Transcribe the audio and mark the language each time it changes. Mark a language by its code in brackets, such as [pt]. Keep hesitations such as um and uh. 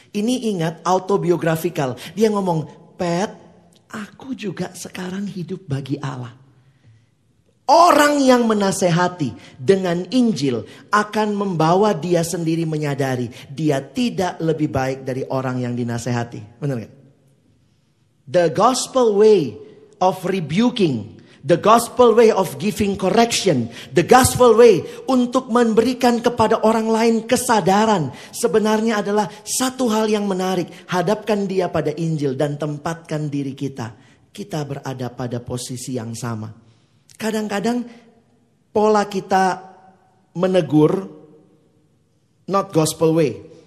[id] Ini ingat autobiografikal. Dia ngomong, Pet, aku juga sekarang hidup bagi Allah. Orang yang menasehati dengan Injil akan membawa dia sendiri menyadari dia tidak lebih baik dari orang yang dinasehati. Benar gak? Kan? [en] The gospel way of rebuking The gospel way of giving correction. The gospel way [id] untuk memberikan kepada orang lain kesadaran. Sebenarnya adalah satu hal yang menarik. Hadapkan dia pada Injil dan tempatkan diri kita. Kita berada pada posisi yang sama. Kadang-kadang pola kita menegur, [en] not gospel way.